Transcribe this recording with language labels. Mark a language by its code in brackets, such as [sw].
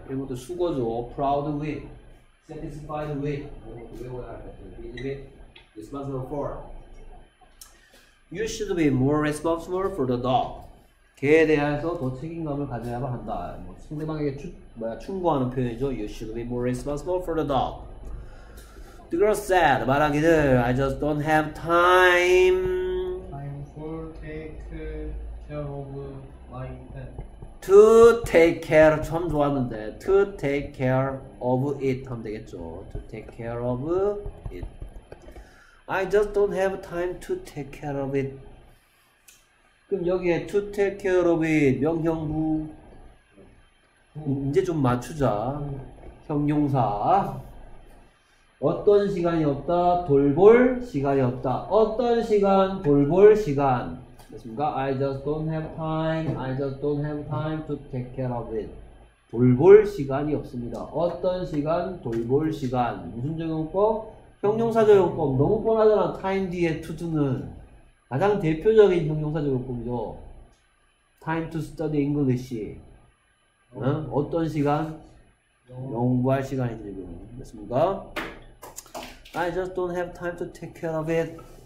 [ko] 이런 것도 수고죠. proud with, satisfied with 이런 것도 외워야 할 것 같아요. busy with, responsible for [en] you should be more responsible for the dog [ko] 개에 대해서 더 책임감을 가져야 한다. 뭐 상대방에게 충고하는 표현이죠. [en] you should be more responsible for the dog the girl said [ko] 말하기를 [en] I just don't have time time for take care of my pet [ko] to take care 처음 좋았는데 to take care of it 하면 되겠죠. [en] to take care of it. I just don't have time to take care of it. [ko] 그럼 여기에 to take care of it 명형부 이제 좀 맞추자. 형용사 어떤 시간이 없다 돌볼 시간이 없다 어떤 시간 돌볼 시간 됐습니까? [en] I just don't have time. I just don't have time to take care of it. [ko] 돌볼 시간이 없습니다. 어떤 시간 돌볼 시간 무슨 적용법? 형용사 적용법 너무 뻔하잖아. time 뒤에 to 두는 가장 대표적인 형용사 적용법이죠. [en] time to study English. [ko] 응? 어떤 시간 공부할 시간이 되죠. 됐습니까? [en] I just don't have time to take care of it.